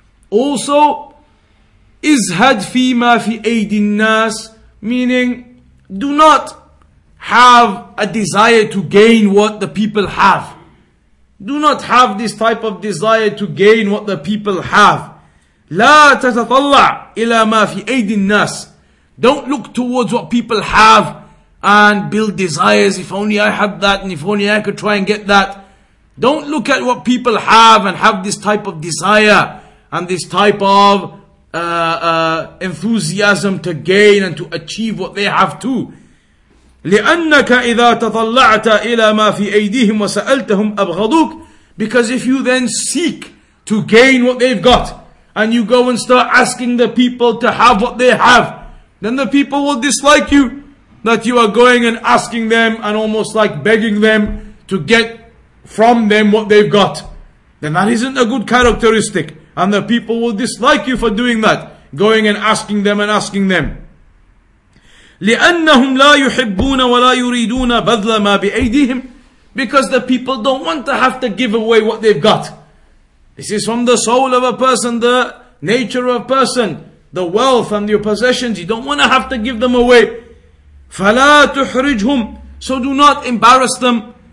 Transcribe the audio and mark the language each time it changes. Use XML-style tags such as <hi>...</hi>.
<en>Also,</en> <ar>izhad fi ma fi aidin nas,</ar> <en>meaning do not have a desire to gain what the people have. Do not have this type of desire to gain what the people have.</en> <ar>لا تتطلع إلى ما في أيدي الناس.</ar> <en>Don't look towards what people have and build desires. If only I had that, and if only I could try and get that. Don't look at what people have and have this type of desire and this type of enthusiasm to gain and to achieve what they have too.</en> <ar>لِأَنَّكَ إِذَا تَطَلَّعْتَ إِلَى مَا فِي أَيْدِيهِمْ وَسَأَلْتَهُمْ أَبْغَضُوكَ.</ar> <en>Because if you then seek to gain what they've got, and you go and start asking the people to have what they have, then the people will dislike you, that you are going and asking them, and almost like begging them, to get from them what they've got. Then that isn't a good characteristic, and the people will dislike you for doing that, going and asking them and asking them.</en> <ar>لأنهم لا يحبون ولا يريدون بذل ما بأيديهم.</ar> <en>Because the people don't want to have to give away what they've got. This is from the soul of a person, the nature of a person, the wealth and your possessions. You don't want to have to give them away.</en> <ar>فلا تحرجهم.</ar> <en>So do not embarrass them.</en>